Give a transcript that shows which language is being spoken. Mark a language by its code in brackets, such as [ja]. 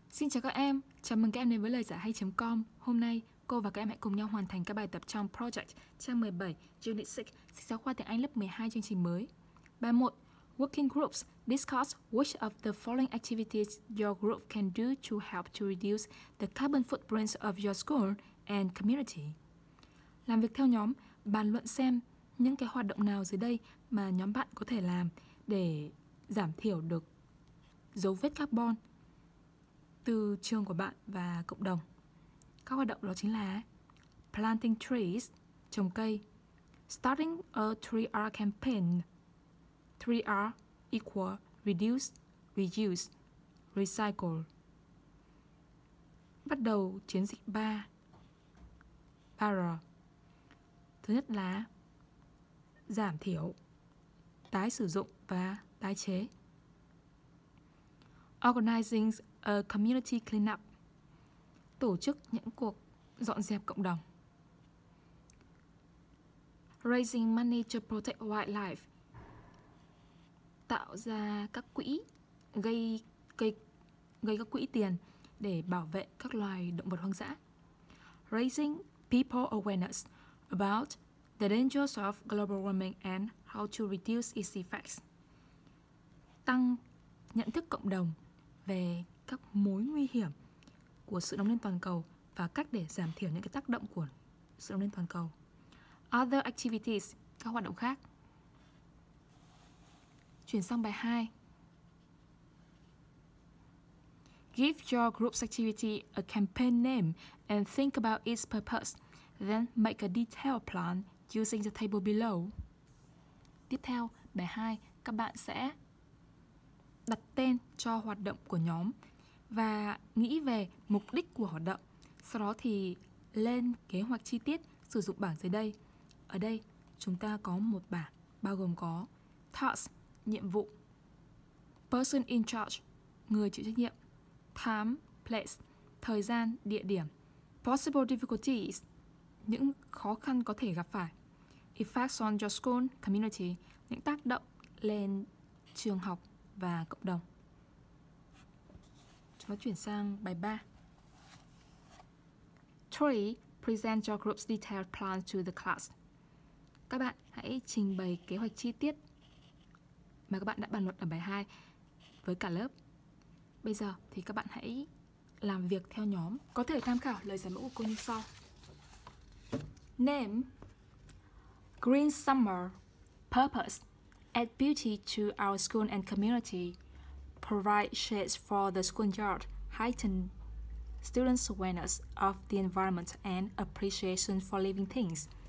[vi] Xin chào các em, chào mừng các em đến với lời giải hay.com. Hôm nay, cô và các em hãy cùng nhau hoàn thành các bài tập trong Project trang 17, Unit 6, sách giáo khoa tiếng Anh lớp 12 chương trình mới. Bài 1. [en] Working groups discuss which of the following activities your group can do to help to reduce the carbon footprints of your school and community. [vi] Làm việc theo nhóm, bàn luận xem những cái hoạt động nào dưới đây mà nhóm bạn có thể làm để giảm thiểu được dấu vết carbon từ trường của bạn và cộng đồng. Các hoạt động đó chính là [en] planting trees, [vi] trồng cây, [en] starting a 3R campaign. 3R equal reduce, reuse, recycle. [vi] Bắt đầu chiến dịch 3R. Thứ nhất là giảm thiểu, tái sử dụng và tái chế. [en] Organizing a community cleanup. [vi] Tổ chức những cuộc dọn dẹp cộng đồng. [en] Raising money to protect wildlife. [vi] Tạo ra các quỹ, gây các quỹ tiền để bảo vệ các loài động vật hoang dã. [en] Raising people awareness about the dangers of global warming and how to reduce its effects. [vi] Tăng nhận thức cộng đồng về các mối nguy hiểm của sự nóng lên toàn cầu và cách để giảm thiểu những cái tác động của sự nóng lên toàn cầu. [en] Other activities, [vi] các hoạt động khác. Chuyển sang bài 2. [en] Give your group's activity a campaign name and think about its purpose. Then make a detailed plan using the table below. [vi] Tiếp theo, bài 2, các bạn sẽ đặt tên cho hoạt động của nhóm và nghĩ về mục đích của hoạt động. Sau đó thì lên kế hoạch chi tiết sử dụng bảng dưới đây. Ở đây, chúng ta có một bảng bao gồm có task, nhiệm vụ, [en] person in charge, [vi] người chịu trách nhiệm, [en] time, place, [vi] thời gian, địa điểm, [en] possible difficulties, [vi] những khó khăn có thể gặp phải, [en] effects on your school, community, [vi] những tác động lên trường học và cộng đồng. Chúng ta chuyển sang bài 3. [en] Three, present your group's detailed plan to the class. [vi] Các bạn hãy trình bày kế hoạch chi tiết mà các bạn đã bàn luận ở bài 2 với cả lớp. Bây giờ thì các bạn hãy làm việc theo nhóm. Có thể tham khảo lời giải mẫu của cô như sau. [en] Name: Green Summer. Purpose: Add beauty to our school and community. Provide shades for the school yard. Heighten students' awareness of the environment and appreciation for living things.